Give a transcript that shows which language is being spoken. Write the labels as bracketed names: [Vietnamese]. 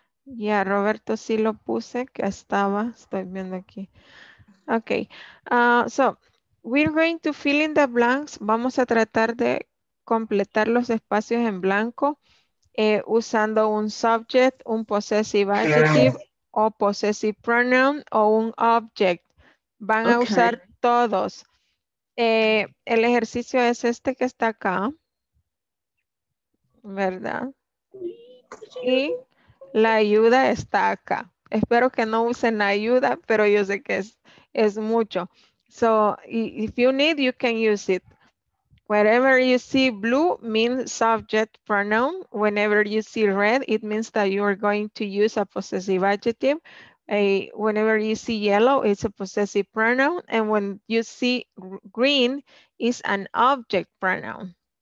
[Spanish] Ya, yeah, Roberto sí lo puse, que estaba, estoy viendo aquí. [English] Ok, so we're going to fill in the blanks. [Spanish] Vamos a tratar de completar los espacios en blanco usando un subject, un possessive adjective o possessive pronoun o un object. Van a usar todos. El ejercicio es este que está acá. ¿Verdad? Y la ayuda está acá. Espero que no usen ayuda, pero yo sé que es mucho. [English] So, if you need, you can use it. Whenever you see blue, means subject pronoun. Whenever you see red, it means that you are going to use a possessive adjective. Whenever you see yellow, it's a possessive pronoun. And when you see green, it's an object pronoun.